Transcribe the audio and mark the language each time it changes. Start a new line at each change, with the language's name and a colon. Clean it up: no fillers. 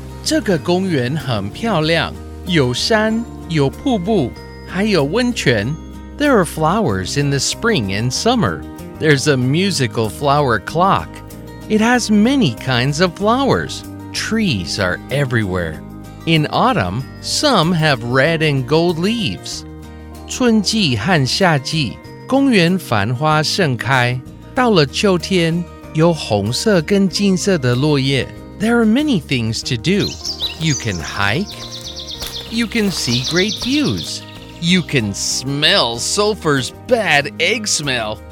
Chinese: 这个公园很漂亮，有山，有瀑布，还有温泉。
English: There are flowers in the spring and summer. There's a musical flower clock. It has many kinds of flowers. Trees are everywhere. In autumn, some have red and gold leaves.
Chinese: 春季和夏季，公园繁花盛开。到了秋天，有红色跟金色的落叶。
English: There are many things to do. You can hike. You can see great views. You can smell sulfur's bad egg smell.